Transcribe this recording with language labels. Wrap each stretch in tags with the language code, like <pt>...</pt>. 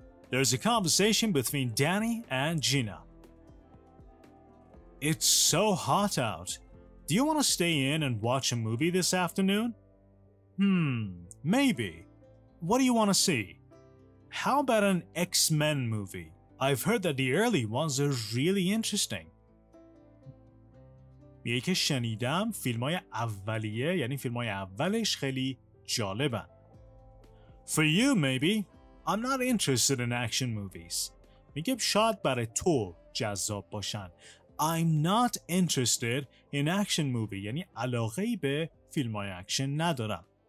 <en>There's a conversation between Danny and Gina. It's so hot out. Do you want to stay in and watch a movie this afternoon? Maybe. What do you want to see? How about an X-Men movie? I've heard that the early ones are really interesting.</en> <fa>یه که شنیدم فیلمای اولیه یعنی فیلمای اولش خیلی جالبن.</fa> <en>For you maybe, I'm not interested in action movies.</en> <fa>میگه شاید برای تو جذاب باشن.</fa> <en>I'm not interested in action movie</en> <fa>یعنی علاقه ای به فیلمای اکشن ندارم.</fa>